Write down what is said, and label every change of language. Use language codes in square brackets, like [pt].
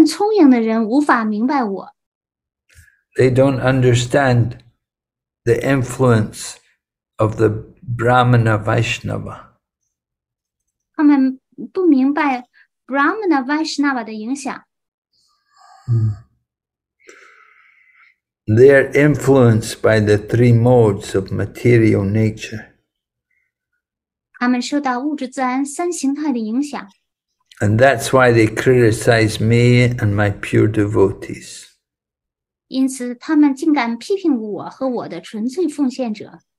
[zh] 不甚聪明的人无法明白我。 [en] They don't understand the influence of the Brahmana Vaishnava. [zh] 他们不明白 Brahmana Vaishnava 的影响。 [en] They are influenced by the three modes of material nature. [zh] 他们受到物质自然三形态的影响。 [en] And that's why they criticize me and my pure devotees. [zh] 因此他们竟敢批评我和我的纯粹奉献者。